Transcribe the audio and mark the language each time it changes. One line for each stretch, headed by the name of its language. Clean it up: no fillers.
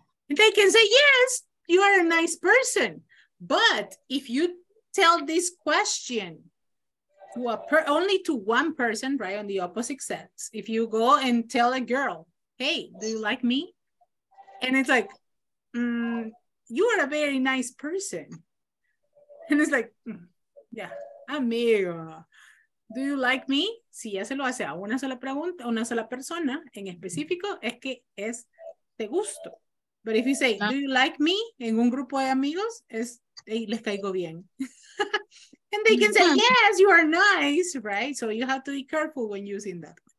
English: They can say yes, you are a nice person. But if you tell this question to only to one person, right, on the opposite sex, if you go and tell a girl, hey, do you like me? And it's like, you are a very nice person. And it's like, yeah, amigo, do you like me?
Spanish: Si ya se lo hace a una sola pregunta, una sola persona, en específico, es que es te gusto.
English: But if you say, do you like me?
Spanish: En un grupo de amigos, es, hey, les caigo bien.
English: And they can say, yes, you are nice, right? So you have to be careful when using that.